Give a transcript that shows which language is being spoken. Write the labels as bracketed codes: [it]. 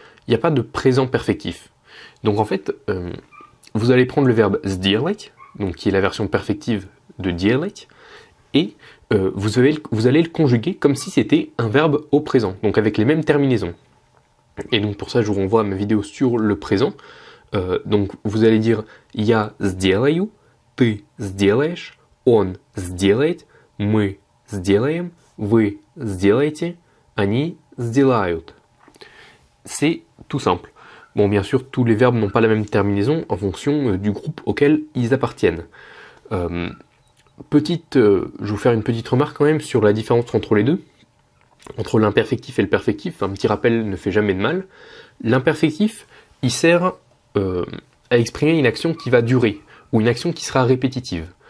[fr] Il n'y a pas de présent perfectif. Donc en fait, vous allez prendre le verbe sdialet, donc qui est la version perfective de dialet, et vous allez le conjuguer comme si c'était un verbe au présent, donc avec les mêmes terminaisons. Et donc pour ça, je vous renvoie à ma vidéo sur le présent. Donc vous allez dire [ru] Я сделаю, ты сделаешь, он сделает, мы сделаем, вы сделаете, они сделают. [fr] C'est tout simple. Bon, bien sûr, tous les verbes n'ont pas la même terminaison en fonction du groupe auquel ils appartiennent. Je vais vous faire une petite remarque quand même sur la différence entre les deux, entre l'imperfectif et le perfectif. Un petit rappel ne fait jamais de mal. L'imperfectif, il sert à exprimer une action qui va durer ou une action qui sera répétitive.